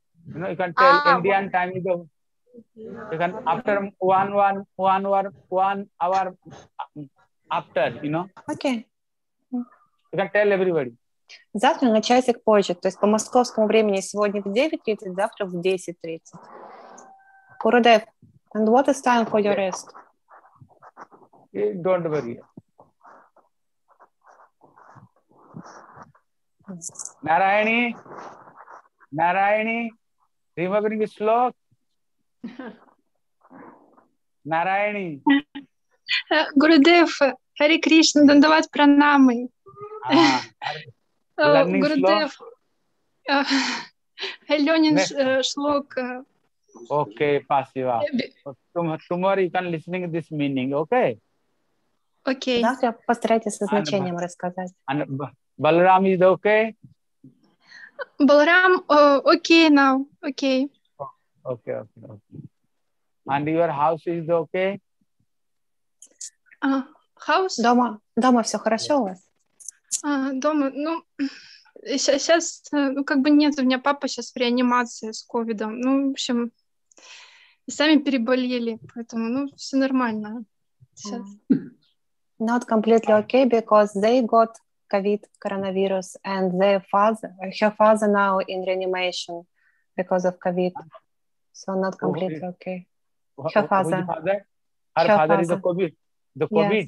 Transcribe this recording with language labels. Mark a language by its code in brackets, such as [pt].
[en] You know, you can tell Indian time is the. You can after one hour after, you know. Okay. You can tell everybody. [ru] Завтра на часик позже, то есть по московскому времени сегодня в 9:30, завтра в 10:30. [en] Курадев, and what is time for your rest? Don't worry. Narayani, remembering the slok? Narayani. [ru] Гурудев, Hare Krishna, Dandavat Pranamy. Гурудев, Ленин шлок. Окей, спасибо. [en] Tomorrow you can listen to this meaning, okay? [ru] Окей. Завтра постарайтесь со значением рассказать. [en] Баларам, is it okay? Баларам, окей now, окей. Окей, окей, окей. And your house is okay? House? [ru] Дома все хорошо у вас? Дома, ну... Сейчас, ну, как бы нет, у меня папа сейчас в реанимации с ковидом. Ну, в общем, сами переболели, поэтому, ну, все нормально. Сейчас. [en] Not completely okay because they got COVID coronavirus and their father, her father now in reanimation because of COVID. So not completely okay. Her father. Her father is a COVID. The COVID.